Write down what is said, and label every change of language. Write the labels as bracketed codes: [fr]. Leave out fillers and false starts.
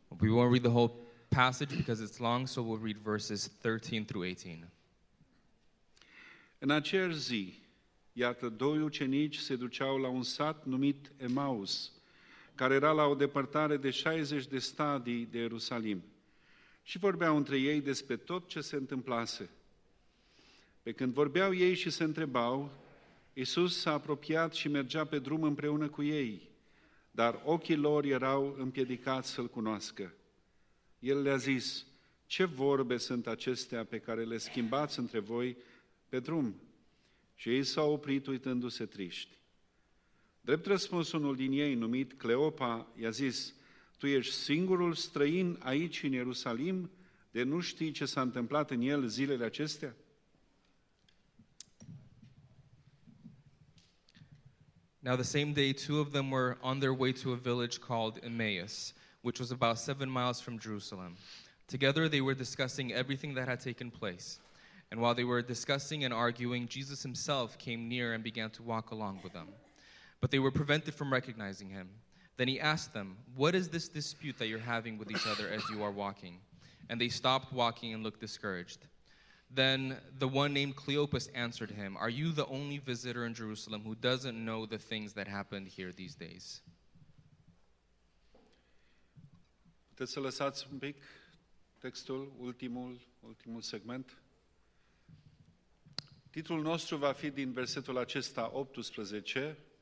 [en] We won't read the whole passage because it's long, so we'll read verses 13 through 18. [ro] În acea zi, iată, doi ucenici se duceau la un sat numit Emaus, care era la o depărtare de 60 de stadii de Ierusalim, și vorbeau între ei despre tot ce se întâmplase. Pe când vorbeau ei și se întrebau, Iisus s-a apropiat și mergea pe drum împreună cu ei, dar ochii lor erau împiedicați să-L cunoască. El le-a zis, ce vorbe sunt acestea pe care le schimbați între voi pe drum? Și ei s-au oprit uitându-se triști. Drept răspuns, unul din ei, numit Cleopa, i-a zis, tu ești singurul străin aici în Ierusalim, de nu știi ce s-a întâmplat în el zilele acestea? [en] Now the same day, two of them were on their way to a village called Emmaus, which was about 7 miles from Jerusalem. Together they were discussing everything that had taken place. And while they were discussing and arguing, Jesus himself came near and began to walk along with them. But they were prevented from recognizing him. Then he asked them, what is this dispute that you're having with each other as you are walking? And they stopped walking and looked discouraged. Then the one named Cleopas answered him, are you the only visitor in Jerusalem who doesn't know the things that happened here these days? [ro] Puteți să lăsați un pic textul, ultimul segment. Titlul nostru va fi din versetul acesta 18.